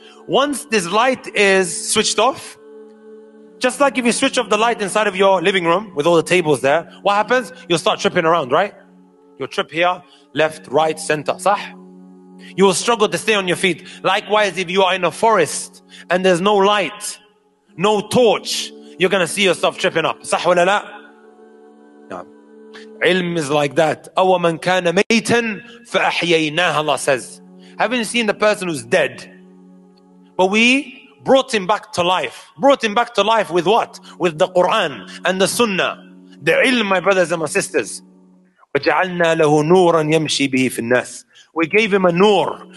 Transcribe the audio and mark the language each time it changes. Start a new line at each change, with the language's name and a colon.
English: Once this light is switched off, just like if you switch off the light inside of your living room with all the tables there, what happens? You'll start tripping around, right? You'll trip here, left, right, center,
Arabic: صح?
English: You will struggle to stay on your feet. Likewise, if you are in a forest and there's no light, no torch, you're going to see yourself tripping up.
Arabic: صح ولا لا?
English: Yeah. Ilm is like that.
Arabic: أَوَ مَنْ كَانَ مَيْتًا فَأَحْيَيْنَاهَ,
English: Allah says. Haven't you seen the person who's dead? But we brought him back to life. Brought him back to life with what? With the Quran and the Sunnah. The ilm, my brothers and my sisters.
Arabic: وَجَعَلْنَا لَهُ نُورًا يَمْشِي بِهِ فِي النَّاسِ.
English: We gave him a noor.